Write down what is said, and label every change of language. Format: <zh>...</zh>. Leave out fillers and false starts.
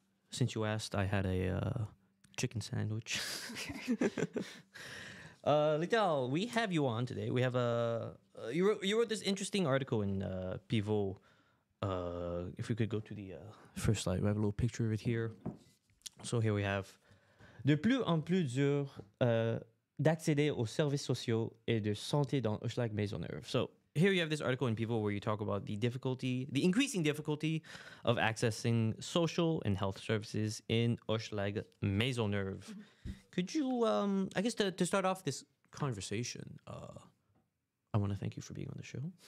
<en>Since you asked, I had a chicken sandwich. Lital, we have you on today. We have a you wrote this interesting article in Pivot. If we could go to the first slide, we have a little picture of it here. So here we have:</en> <fr>de plus en plus dur d'accéder aux services sociaux et de santé dans Hochelag Maisonneuve.</fr> <en>So here you have this article in Pivot where you talk about the increasing difficulty of accessing social and health services in Hochelag Maisonneuve. Could you, I guess to start off this conversation, I want to thank you for being on the show.</en>